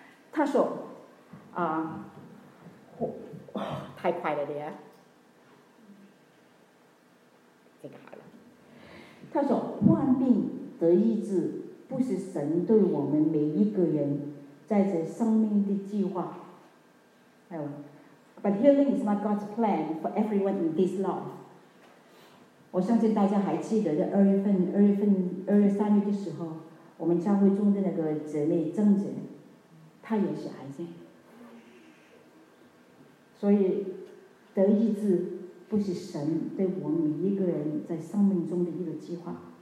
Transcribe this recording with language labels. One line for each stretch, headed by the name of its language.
Chinese: 他说啊，太快了的呀，这个好了。他说患病得医治不是神对我们每一个人在这生命的计划。
English: But healing is not God's plan for everyone in this life.
Chinese: 我相信大家还记得在二月三月的时候，我们教会中的那个姊妹郑姐，她也是癌症。所以得医治不是神对我们每一个人在生命中的一个计划。